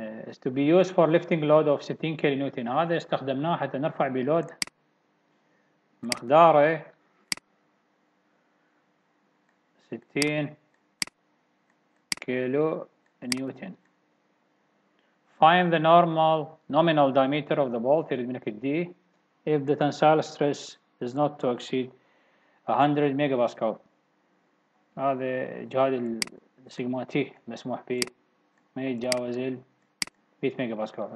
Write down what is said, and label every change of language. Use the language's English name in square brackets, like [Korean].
[English] Is to be used for lifting load of [Arabic] 60 كيلو نيوتن، هذا استخدمناه حتى نرفع بلود مقداره 60 كيلو نيوتن. [English] Find the normal nominal diameter of the bolt، [Arabic] يريد منك الـ D، [English] if the tensile stress is not to exceed 100 megapascal. [Arabic] هذا جهاد السيجما تي مسموح به ما يتجاوز ال 100 ميجا باسكال.